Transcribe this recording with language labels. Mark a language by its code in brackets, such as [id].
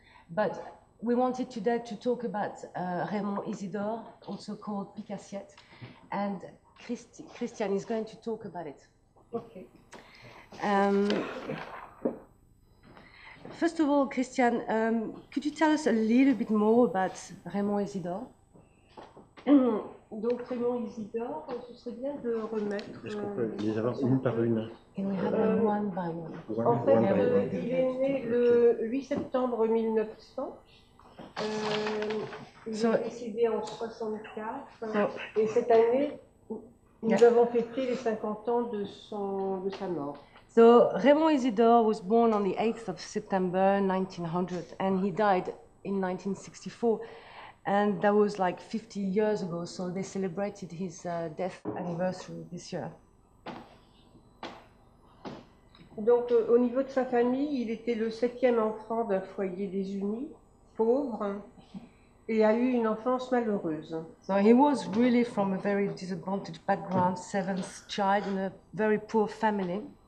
[en] But we wanted today to talk about Raymond Isidore, also called Pic Assiette, and Christiane is going to talk about it. Okay. First of all, Christiane, could you tell us a little bit more about Raymond Isidore? [fr] Donc Raymond Isidore, ce serait bien de remettre. Est-ce qu'on peut les avoir une par une? [en] Can we have them one by one? [fr] En fait, il est né le 8 septembre 1900. Il est décédé en 64. Et cette année, nous avons fêté les 50 ans de sa mort. [en] So Raymond Isidore was born on the 8th of September 1900 and he died in 1964. And that was like 50 years ago, so they celebrated his death anniversary this year. [fr] Donc, au niveau de sa famille, il était le septième enfant d'un foyer désuni, pauvre, et a eu une enfance malheureuse. [en] So he was really from a very disadvantaged background, seventh child in a very poor family.